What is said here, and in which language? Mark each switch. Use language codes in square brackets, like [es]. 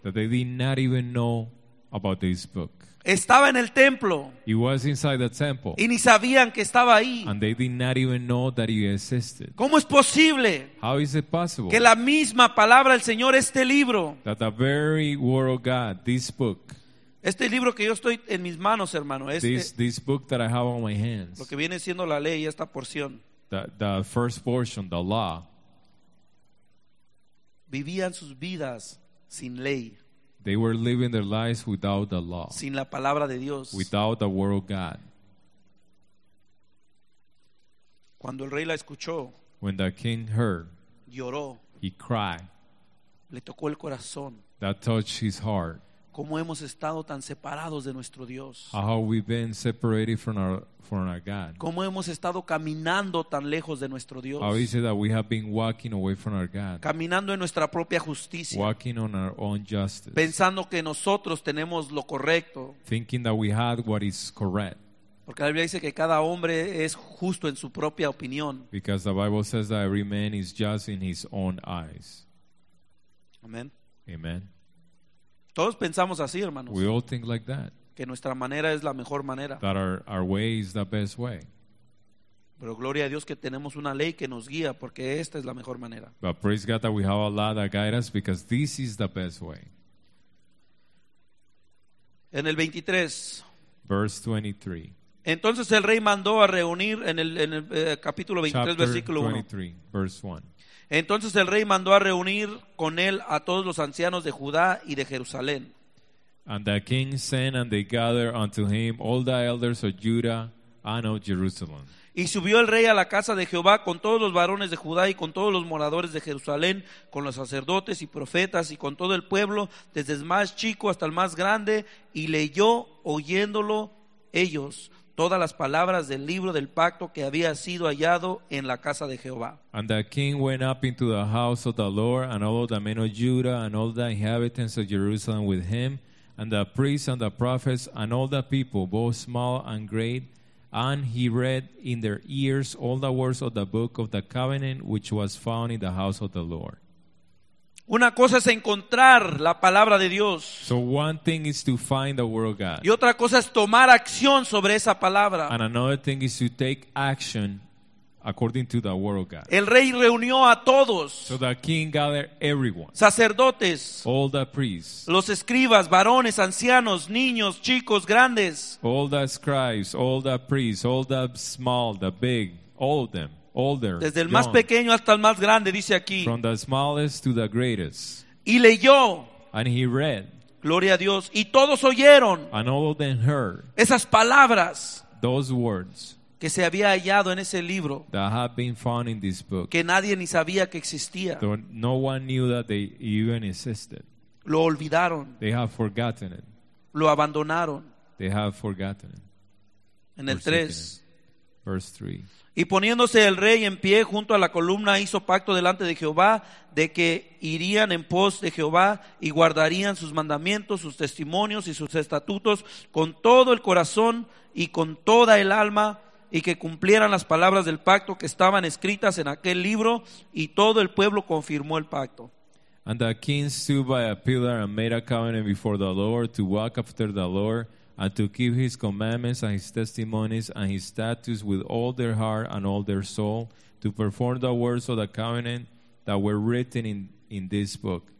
[en] That they did not even know about this book. [es] Estaba en el templo. [en] It was inside the temple. [es] Y ni sabían que estaba ahí. [en] And they did not even know that it existed. [es] ¿Cómo es posible? [en] How is it possible? [es] Que la misma palabra del Señor, este libro. [en] That the very word of God, this book. [es] Este libro que yo estoy en mis manos, hermano. [en] This book that I have on my hands. [es] Lo que viene siendo la ley, esta porción. [en] The first portion, the law. [es] Vivían sus vidas sin ley. [en] They were living their lives without the law. [es] Sin la palabra de Dios. [en] Without the word of God. [es] Cuando el rey la escuchó. [en] When the king heard. [es] Lloró. [en] He cried. [es] Le tocó el corazón. [en] That touched his heart. [es] ¿Cómo hemos estado tan separados de nuestro Dios? [en] How we've been separated from our God. [es] ¿Cómo hemos estado caminando tan lejos de nuestro Dios? [en] How is it that we have been walking away from our God? [es] Caminando en nuestra propia justicia. [en] Walking on our own justice. [es] Pensando que nosotros tenemos lo correcto. [en] Thinking that we had what is correct. [es] Porque la Biblia dice que cada hombre es justo en su propia opinión. [en] Because the Bible says that every man is just in his own eyes. [es] Amen. [en] Amen. [es] Todos pensamos así, hermanos. [en] We all think like that. [es] Que nuestra manera es la mejor manera. [en] That our way is the best way. [es] Pero gloria a Dios que tenemos una ley que nos guía, porque esta es la mejor manera. [en] But praise God that we have a law that guides us, because this is the best way. [es] En el 23. [en] Verse 23. [es] Entonces el rey mandó a reunir en el capítulo 23, [en] chapter [es] versículo 1. [en] 23, verse 1. [es] Entonces el rey mandó a reunir con él a todos los ancianos de Judá y de Jerusalén. [en] And the king sent and they gathered unto him all the elders of Judah and of Jerusalem. [es] Y subió el rey a la casa de Jehová con todos los varones de Judá y con todos los moradores de Jerusalén, con los sacerdotes y profetas y con todo el pueblo, desde el más chico hasta el más grande, y leyó, oyéndolo ellos, todas las palabras del libro del pacto que había sido hallado en la casa de Jehová. [en] And the king went up into the house of the Lord, and all the men of Judah, and all the inhabitants of Jerusalem with him, and the priests and the prophets, and all the people, both small and great, and he read in their ears all the words of the book of the covenant which was found in the house of the Lord. [es] Una cosa es encontrar la palabra de Dios. [en] So one thing is to find the word of God. [es] Y otra cosa es tomar acción sobre esa palabra. [en] And another thing is to take action according to the word of God. [es] El rey reunió a todos. [en] So the king gathered everyone. [es] Sacerdotes. [en] All the priests. [es] Los escribas, varones, ancianos, niños, chicos, grandes. [en] All the scribes, all the priests, all the small, the big, all of them. Older, [es] desde el [en] young, [es] más pequeño hasta el más grande, dice aquí. [en] From the smallest to the greatest. [es] Y leyó. [en] And he read. [es] Gloria a Dios. Y todos oyeron. [en] And all of them heard. [es] Esas palabras. [en] Those words. [es] Que se había hallado en ese libro. [en] That had been found in this book. [es] Que nadie ni sabía que existía. [en] No one knew that they even existed. [es] Lo olvidaron. [en] They have forgotten it. [es] Lo abandonaron. [en] They have forgotten it. [es] En el 3. [en] Verse 3. [es] Y poniéndose el rey en pie junto a la columna, hizo pacto delante de Jehová de que irían en pos de Jehová y guardarían sus mandamientos, sus testimonios y sus estatutos con todo el corazón y con toda el alma, y que cumplieran las palabras del pacto que estaban escritas en aquel libro, y todo el pueblo confirmó el pacto. [en] And the king stood by a pillar and made a covenant before the Lord to walk after the Lord and to keep his commandments and his testimonies and his statutes with all their heart and all their soul, to perform the words of the covenant that were written in this book.